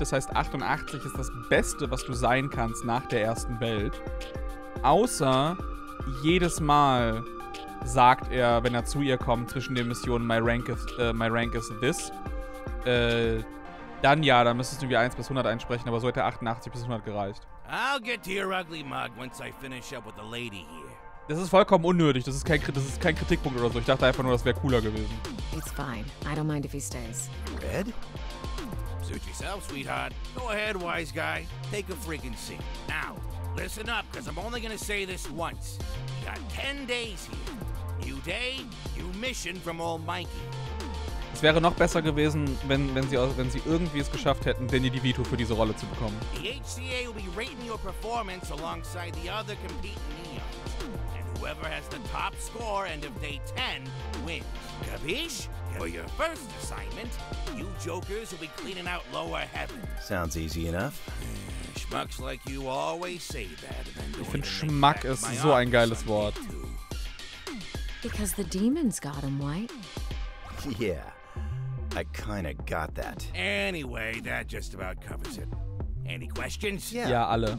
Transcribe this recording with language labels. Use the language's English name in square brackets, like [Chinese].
[German] Das heißt, 88 ist das Beste, was du sein kannst nach der ersten Welt. Außer jedes Mal sagt er, wenn er zu ihr kommt, zwischen den Missionen, [English] my rank is this. [German] Dann ja, dann müsstest du irgendwie 1 bis 100 einsprechen, aber so hätte 88 bis 100 gereicht. [English] I'll get to your ugly mug once I finish up with the lady here. [German] Das ist vollkommen unnötig, das ist kein Kritikpunkt oder so. Ich dachte einfach nur, das wäre cooler gewesen. [English] It's fine. I don't mind if he stays. Red? Suit yourself, sweetheart. Go ahead, wise guy. Take a freaking seat. Now, listen up, because I'm only going to say this once. You got 10 days here. New day, new mission from old Mikey. [German] Es wäre noch besser gewesen, wenn sie irgendwie es geschafft hätten, Danny DeVito für diese Rolle zu bekommen. [English] The HCA will be rating your performance alongside the other competing neons. And whoever has the top score end of day 10 wins. Kabish? For your first assignment, you jokers will be cleaning out lower heaven. Sounds easy enough. Schmucks like you always say that. [German] Ich finde Schmuck ist so ein geiles Wort. [English] Because the demons got him, White. Yeah, I kinda got that. Anyway, that just about covers it. Any questions? Yeah, [German] alle.